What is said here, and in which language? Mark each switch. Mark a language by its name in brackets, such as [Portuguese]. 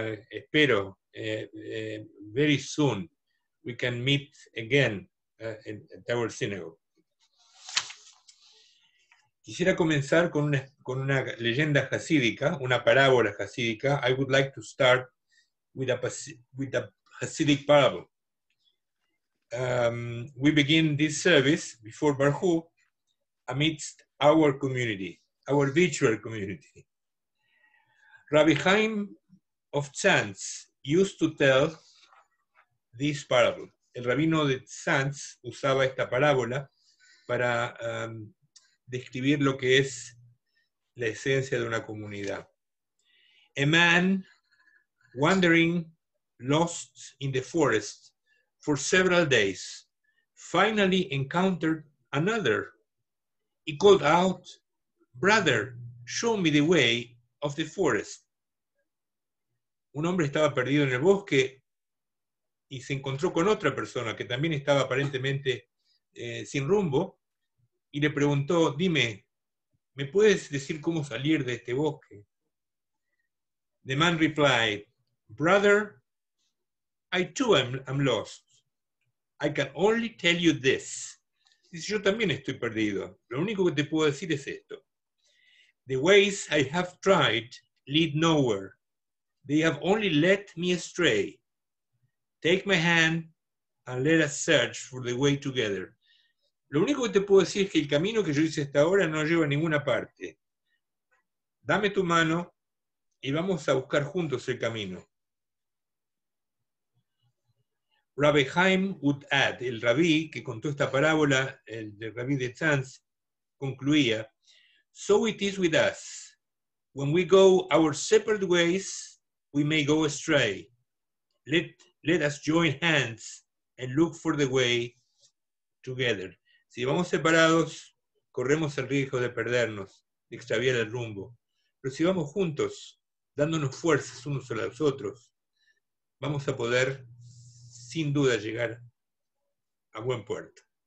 [Spanish] Espero, [English] very soon, we can meet again at our synagogue. [Spanish] Quisiera comenzar con una leyenda hasídica, una parábola hasídica. [English] I would like to start with a Hasidic parable. We begin this service before Barhu amidst our community, our virtual community. Rabbi Chaim of Tzantz used to tell this parable. [Spanish] El rabino de Tzantz usaba esta parábola para describir lo que es la esencia de una comunidad. [English] A man wandering lost in the forest for several days finally encountered another. He called out, "Brother, show me the way of the forest." [Spanish] Un hombre estaba perdido en el bosque y se encontró con otra persona que también estaba aparentemente sin rumbo y le preguntó, dime, ¿me puedes decir cómo salir de este bosque? [English] The man replied, brother, I too am lost. I can only tell you this. [Spanish] Dice, yo también estoy perdido. Lo único que te puedo decir es esto. [English] The ways I have tried lead nowhere. They have only led me astray. Take my hand and let us search for the way together. [Spanish] Lo único que te puedo decir es que el camino que yo hice hasta ahora no lleva a ninguna parte. Dame tu mano y vamos a buscar juntos el camino. [English] Rabbi Chaim would add, [Spanish] el rabí que contó esta parábola, el de rabí de Tzantz, concluía, [English] so it is with us. When we go our separate ways, we may go astray. Let us join hands and look for the way together. [Spanish] Si vamos separados, corremos el riesgo de perdernos, de extraviar el rumbo. Pero si vamos juntos, dándonos fuerzas unos a los otros, vamos a poder, sin duda, llegar a buen puerto.